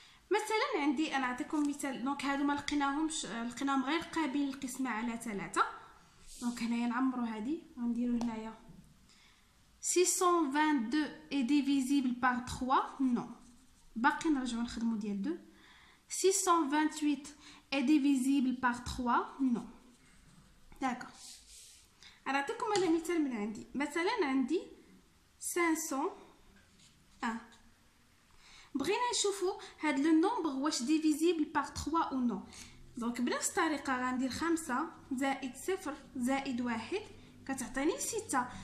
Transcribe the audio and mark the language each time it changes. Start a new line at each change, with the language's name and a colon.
Arabic: مثلا عندي، انا اعطيكم مثال، دونك هادو ما لقيناهمش، لقيناهم غير قابل للقسمة على 3. دونك هنايا نعمرو هادي ونديرو هنايا
French: 622 est divisible par 3،
Arabic: نو باقي نرجعو نخدمو ديال 2.
French: 628 est divisible par 3،
Arabic: نو داكا. نعطيكم هذا مثال من عندي، مثلا عندي 501، بغينا نشوفو هاد لو نومبر واش ديفيزيبل بار 3 او نو. دونك بنفس الطريقه غندير 5 زائد 0 زائد 1 كتعطيني 6.